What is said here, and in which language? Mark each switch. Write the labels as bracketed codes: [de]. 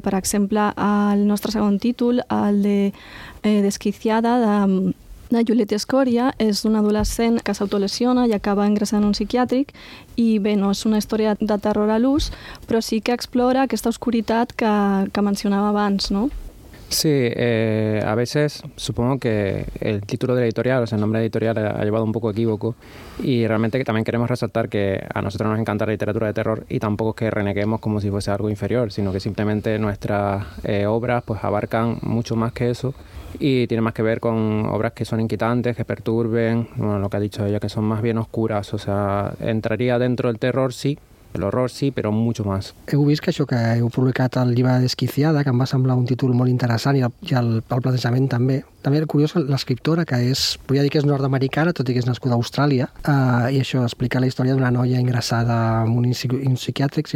[ca] Per exemple, el nostre segon títol, el de Desquiciada, de Juliette Escoria, és d'una adolescent que s'autolesiona i acaba ingressant en un psiquiàtric, i bé, no és una història de terror a l'ús, però sí que explora aquesta oscuritat que mencionava abans, no? [es] Sí, a veces supongo que el título de la editorial, o sea, el nombre de editorial ha llevado un poco equívoco, y realmente también queremos resaltar que a nosotros nos encanta la literatura de terror y tampoco es que reneguemos como si fuese algo inferior, sino que simplemente nuestras obras pues abarcan mucho más que eso y tiene más que ver con obras que son inquietantes, que perturben, bueno, lo que ha dicho ella, que son más bien oscuras, o sea, entraría dentro del terror, sí. [ca] L'horror sí, però [es] mucho más. [ca] Heu vist que això que heu publicat al llibre Desquiciada, que em va semblar un títol molt interessant, i el plantejament també. També era curiós que l'escriptora, que és, podria dir que és nord-americana, tot i que és nascuda a Austràlia, i això explica la història d'una noia ingressada en un psiquiàtric.